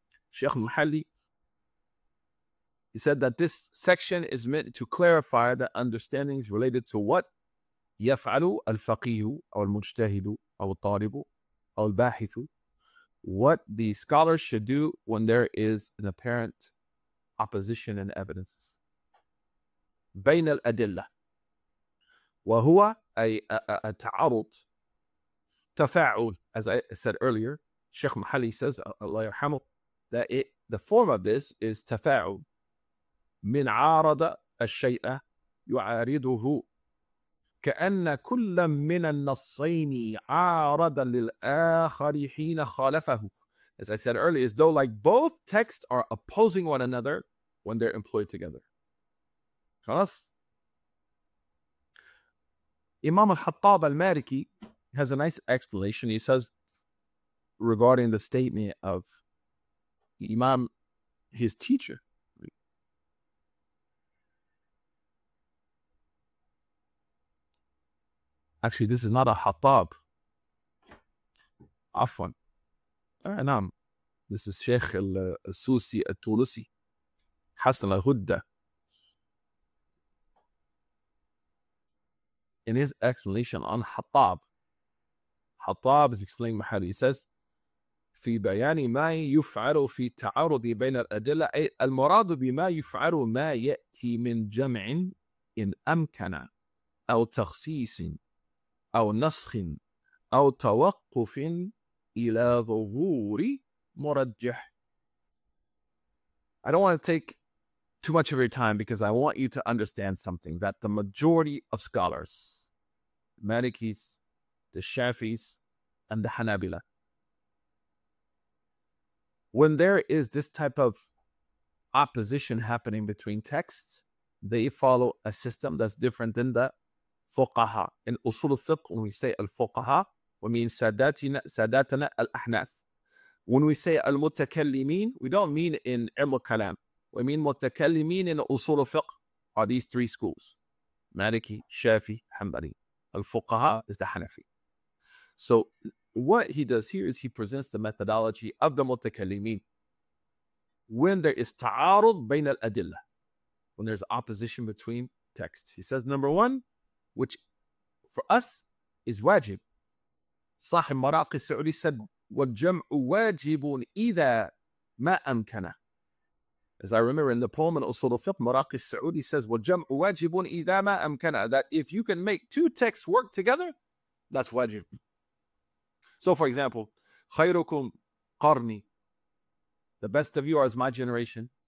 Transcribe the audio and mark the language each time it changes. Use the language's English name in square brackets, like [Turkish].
[English] Sheikh Muhalli, he said that this section is meant to clarify the understandings related to what yaf'alu al-faqih or al-mujtahid or al-talib or al-bahith, what the scholars should do when there is an apparent opposition and evidences. Bayn al-adilla. [Arabic] Wa huwa a ta'arud. [English] Tafa'ul, as I said earlier, Sheikh Muhalli says, Allah yarhamuh, that the form of this is tafa'ul. [Arabic] من عارض الشيء يعارضه. كأن كل من النصين عارض للآخر حين خالفه. [English] As I said earlier, as though like both texts are opposing one another when they're employed together. [Arabic] خلاص. [English] Imam al-Hattab al-Maliki has a nice explanation. He says regarding the statement of Imam, his teacher. Actually, this is not a Hattab. [Arabic] Afwan. نعم. [English] This is Sheikh al-Susi al-Tulusi. Hassan al-Hudda. In his explanation on Hattab, Hattab is explaining Mahal. He says, [Arabic] في بيان ما يفعل في تعارض بين الأدلة المراد بما يفعل ما يأتي من جمع إن أمكن أو تخصيص أو نسخ أو توقف إلى ظهور مرجح. [English] I don't want to take too much of your time because I want you to understand something that the majority of scholars, Malikis, the Shafis, and the Hanabila, when there is this type of opposition happening between texts, they follow a system that's different than the Fuqaha. In Usul al-Fiqh, when we say al-Fuqaha, we mean Sadatina al-Ahnath. When we say al-Mutakallimin, we don't mean in Ilm al-Kalam. We mean Mutakallimin in Usul al-Fiqh are these three schools. Maliki, Shafi, Hanbali. Al-Fuqaha is the Hanafi. So what he does here is he presents the methodology of the Mutakallimin. When there is ta'arud bayn al-adillah, when there's opposition between text, he says, number one, which for us is wajib. [Arabic] Sahib Maraqi Sa'uri said, وَالْجَمْعُ وَاجِبٌ إِذَا مَا أَمْكَنَ. [English] As I remember in the poem in Usul al-Fiqh, Maraqi Sa'uri says, [Arabic] وَالْجَمْعُ وَاجِبٌ إِذَا مَا أَمْكَنَ. [English] That if you can make two texts work together, that's wajib. So for example, [Arabic] خَيْرُكُمْ قَرْنِي. [English] The best of you are is my generation.